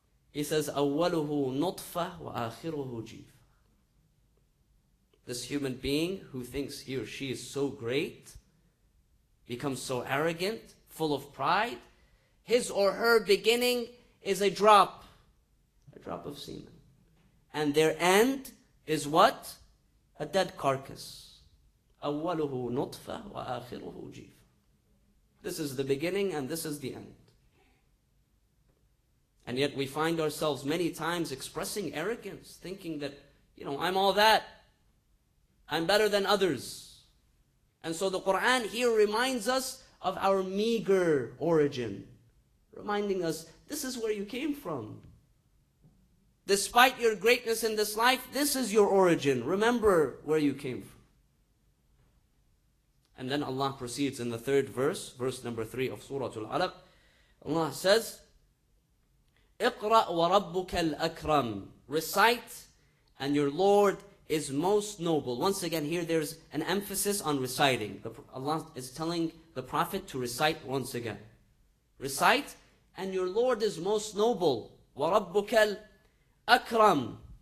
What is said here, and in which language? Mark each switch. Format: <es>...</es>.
<en>He says,</en> <ar>أَوَّلُهُ نُطْفَةٌ وَآخِرُهُ جِيفٌ.</ar> <en>this human being who thinks he or she is so great becomes so arrogant, full of pride, his or her beginning is a drop of semen. And their end is what? A dead carcass.</en> <ar>أوله نطفة وآخره جيف.</ar> <en>This is the beginning and this is the end. And yet we find ourselves many times expressing arrogance, thinking that, you know, I'm all that. I'm better than others. And so the Quran here reminds us of our meager origin, reminding us, this is where you came from. Despite your greatness in this life, this is your origin. Remember where you came from. And then Allah proceeds in the third verse, verse number 3 of Surah Al-Alaq. Allah says,</en> <ar>اقرأ وربك الأكرم.</ar> <en>Recite, and your Lord is most noble. Once again, here there's an emphasis on reciting. Allah is telling the Prophet to recite once again. Recite, and your Lord is most noble.</en> <ar>وربك الأكرم.</ar>